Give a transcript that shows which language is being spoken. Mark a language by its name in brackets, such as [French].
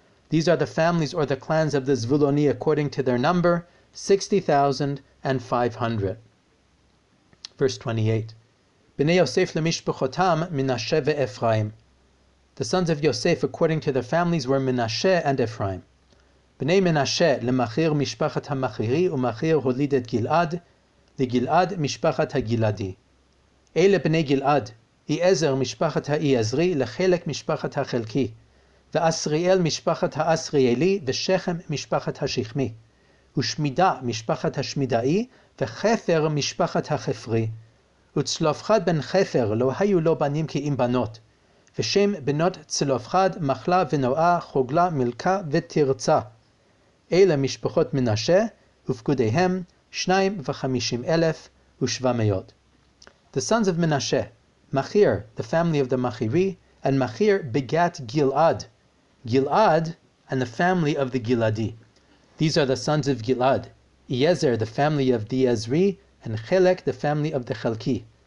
[English] These are the families or the clans of the Zivuloni, according to their number, 60,500. Verse 28. [Hebrew] B'nei Yosef l'mishpachotam, Menashe ve'Ephraim. [English] The sons of Yosef, according to their families, were Menashe and Ephraim. [Hebrew] B'nei Menashe, l'machir mishpachat ha-machiri, u'machir holidet Gilad, ל-גלעד משפחת הגלעדי. אלה בני גלעד, איעזר משפחת האיעזרי, לחלק משפחת החלקי, ואסריאל משפחת האסריאלי, ושכם משפחת השכמי, ושמידה משפחת השמידאי, וחפר משפחת החפרי. וצלופחד בן חפר לא היו לו בנים כי אם בנות, ושם בנות צלופחד מחלה ונועה, חוגלה מלכה ותרצה. אלה משפחות מנשה, ופקודיהם, 52,700. [English] The sons of Menashe, Machir, the family of the Machiri, and Machir begat Gilad. Gilad and the family of the Giladi. These are the sons of Gilad. Iezer, the family of the Ezri, and Chelek, the family of the Chelki.